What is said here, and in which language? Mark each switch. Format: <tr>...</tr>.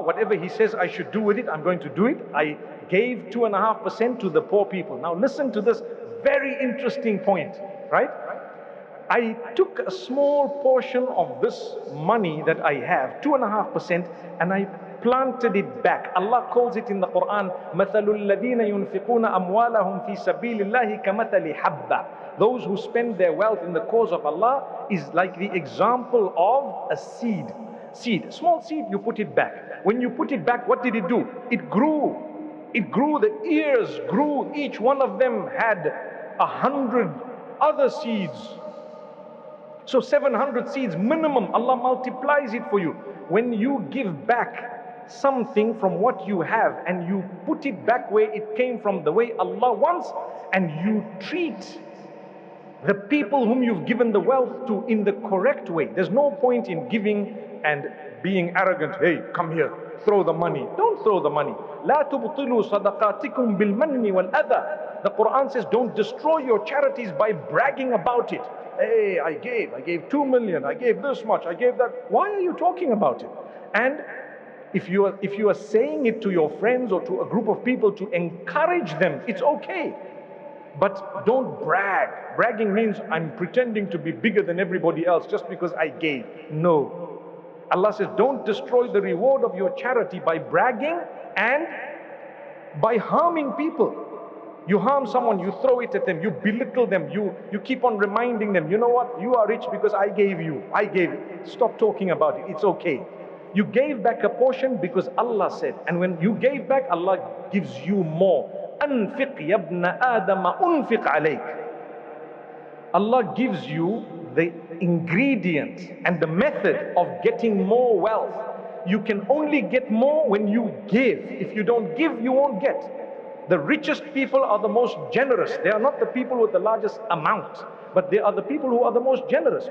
<en>Whatever He says I should do with it, I'm going to do it. I gave 2.5% to the poor people. Now listen to this very interesting point, right? I took a small portion of this money that I have, 2.5%, and I planted it back. Allah calls it in the Quran,</en> <ar>مَثَلُ الَّذِينَ يُنْفِقُونَ أَمْوَالَهُمْ فِي سَبِيلِ اللَّهِ كَمَثَلِ حَبَّةٍ.</ar> <en>Those who spend their wealth in the cause of Allah is like the example of a seed. Seed, small seed, you put it back. When you put it back, what did it do? It grew. It grew, the ears grew. Each one of them had 100 other seeds. So 700 seeds minimum, Allah multiplies it for you. When you give back something from what you have and you put it back where it came from, the way Allah wants, and you treat the people whom you've given the wealth to in the correct way. There's no point in giving and being arrogant. Hey, come here, throw the money. Don't throw the money.</en> <ar>لا تبطلوا صدقاتكم بالمن والأذى.</ar> <en>The Quran says, don't destroy your charities by bragging about it. Hey, I gave 2 million, I gave this much, I gave that. Why are you talking about it? And if you are saying it to your friends or to a group of people to encourage them, it's okay. But don't brag. Bragging means I'm pretending to be bigger than everybody else just because I gave. No. Allah says, don't destroy the reward of your charity by bragging and by harming people. You harm someone, you throw it at them, you belittle them, you keep on reminding them, you know what? You are rich because I gave you. I gave it. Stop talking about it. It's okay. You gave back a portion because Allah said, and when you gave back, Allah gives you more.</en> <ar>أنفق يا ابن آدم أنفق عليك.</ar> <en>Allah gives you the ingredient and the method of getting more wealth. You can only get more when you give. If you don't give, you won't get. The richest people are the most generous. They are not the people with the largest amount, but they are the people who are the most generous.</en>